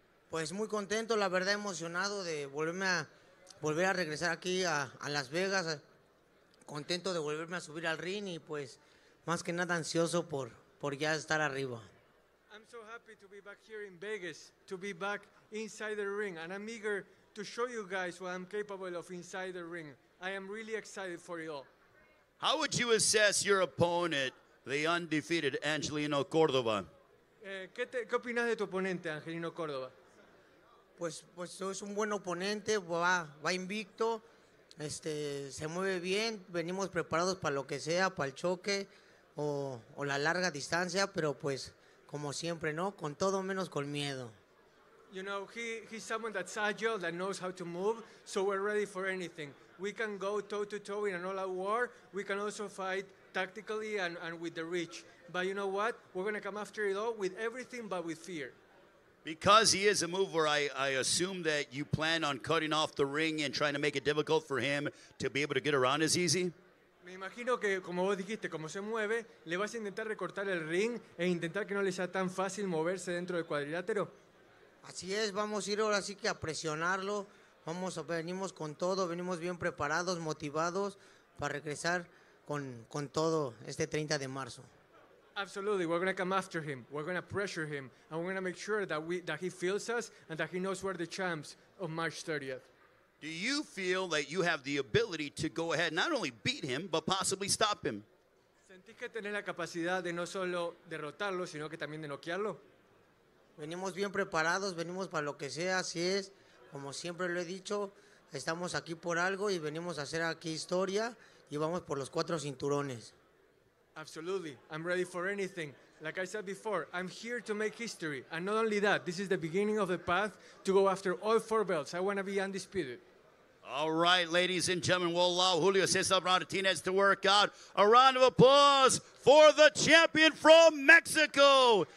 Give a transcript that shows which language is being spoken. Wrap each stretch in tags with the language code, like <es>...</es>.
<es>Pues muy contento, la verdad, emocionado de volverme a regresar aquí a Las Vegas. Contento de volverme a subir al ring y pues más que nada ansioso por ya estar arriba.</es> <en>I'm so happy to be back here in Vegas, to be back inside the ring, and I'm eager to show you guys what I'm capable of inside the ring. I am really excited for you all. How would you assess your opponent, the undefeated Angelino Cordova?</en> <es>¿Qué opinas de tu oponente, Angelino Cordova? Pues es un buen oponente, va invicto, se mueve bien, venimos preparados para lo que sea, para el choque o la larga distancia, pero pues como siempre, ¿no? Con todo menos con miedo.</es> <en>You know, he's someone that's agile, that knows how to move, so we're ready for anything. We can go toe-to-toe in an all-out war, we can also fight tactically and with the reach. But you know what? We're going to come after it all with everything but with fear. Because he is a mover, I assume that you plan on cutting off the ring and trying to make it difficult for him to be able to get around as easy?</en> <es>Me imagino que, como vos dijiste, como se mueve, le vas a intentar recortar el ring e intentar que no le sea tan fácil moverse dentro del cuadrilátero. Así es, vamos a ir ahora sí que a presionarlo. Venimos con todo, venimos bien preparados, motivados para regresar con todo este 30 de marzo.</es> <en>Absolutely, we're going to come after him, we're going to pressure him, and we're going to make sure that he feels us and that he knows we're the champs of March 30th. Do you feel that you have the ability to go ahead, not only beat him, but possibly stop him?</en> <es>¿Sentís que tenés la capacidad de no solo derrotarlo, sino que también de noquearlo? Venimos bien preparados, venimos para lo que sea, así es. Como siempre lo he dicho, estamos aquí por algo y venimos a hacer aquí historia y vamos por los cuatro cinturones.</es> <en>Absolutely, I'm ready for anything. Like I said before, I'm here to make history. And not only that, this is the beginning of the path to go after all four belts. I want to be undisputed. All right, ladies and gentlemen, we'll allow Julio Cesar Martinez to work out. A round of applause for the champion from Mexico.</en>